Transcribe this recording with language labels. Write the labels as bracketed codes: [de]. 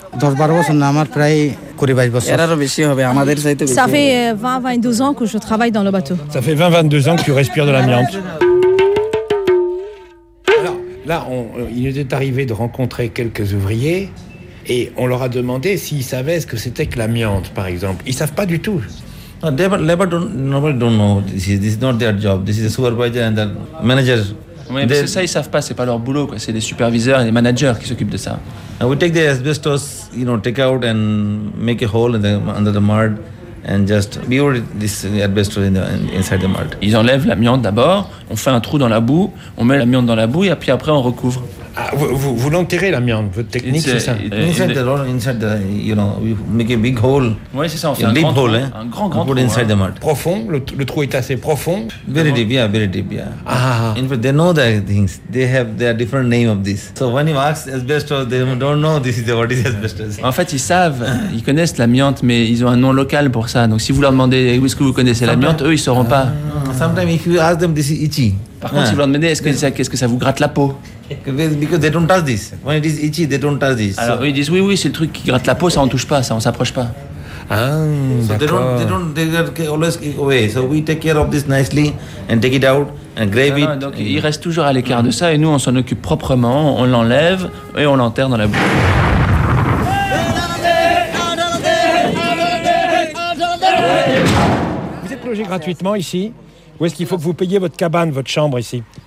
[fr] Ça fait 20-22 ans que je travaille dans le bateau. Ça fait 20-22 ans que tu respires de l'amiante. Alors, là, il nous est arrivé de rencontrer quelques ouvriers et on leur a demandé s'ils savaient ce que c'était que l'amiante, par exemple. Ils ne savent pas du tout. [en] Labor don't know this is not their job. This is the supervisor and the manager. [fr] Oui, mais c'est ça, ils savent pas, c'est pas leur boulot, quoi. C'est des superviseurs et des managers qui s'occupent de ça. [en] And we take the asbestos, you know, take out and make a hole in the, under the mud and just bury this asbestos in the, inside the mud. [fr] Ils enlèvent l'amiante d'abord, on fait un trou dans la boue, on met l'amiante dans la boue et puis après on recouvre. Ah, vous l'enterrez l'amiante, votre technique, [en] inside the, you know, we make a big hole. [fr] Oui, c'est ça, on fait un grand [en] hole, [fr] trou, hein. un grand trou [en] inside the mud. [fr] Profond, le trou est assez profond. [en] Very deep. Ah. In fact, they know the things. They have different name of this. So when you ask asbestos, they don't know this is what is asbestos. [fr] En fait, ils savent, ils connaissent l'amiante, mais ils ont un nom local pour ça. Donc si vous leur demandez où est-ce que vous connaissez l'amiante, eux, ils sauront pas. [en] Sometimes if you ask them, this is itchy. [fr] Par contre, si vous leur demandez, est-ce que ça vous gratte la peau? [en] Because they don't touch this. When it is itchy, they don't touch this. [fr] Alors so, ils disent oui, c'est le truc qui gratte la peau, ça on touche pas, ça on s'approche pas. Ah, so d'accord. [en] They always keep away. So we take care of this nicely and take it out and grave it. [fr] Donc ils restent toujours à l'écart de ça et nous on s'en occupe proprement, on l'enlève et on l'enterre dans la boue. Vous êtes logé gratuitement ici? Où est-ce qu'il faut que vous payiez votre cabane, votre chambre ici?